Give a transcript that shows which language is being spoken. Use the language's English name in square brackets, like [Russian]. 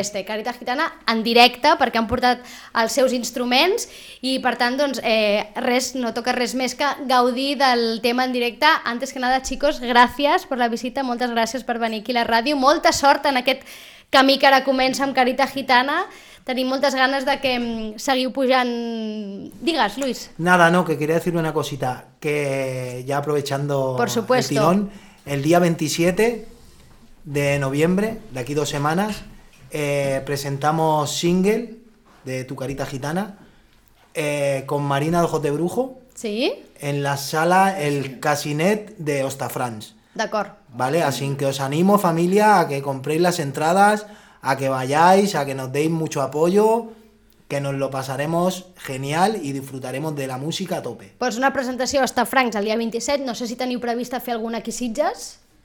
[Catalan] Este, Carita Gitana, en directe, perquè han portat els seus instruments i per tant, doncs, res, no toca res més que gaudir del tema en directe. [Spanish] Antes que nada, chicos, gracias por la visita, [Catalan] moltes gràcies per venir aquí a la ràdio, molta sort en aquest camí que ara comença amb Carita Gitana. Tenim moltes ganes de que seguiu pujant. Digues, Luis. [Spanish] Nada, no, que quería decir una cosita, que ya aprovechando el tirón, el día 27 de noviembre, de aquí dos semanas, presentamos single de Tu Carita Gitana con Marina de Ojos de Brujo. Sí. En la sala El Casinet de Hostafrancs. [Catalan] D'acord. [Spanish] Vale, así que os animo, familia, a que compréis las entradas, a que vayáis, a que nos deis mucho apoyo, que nos lo pasaremos genial y disfrutaremos de la música a tope. [Catalan] Pues una presentació a Hostafrancs el dia 27, no sé si teniu prevista fer alguna aquí a Sitges.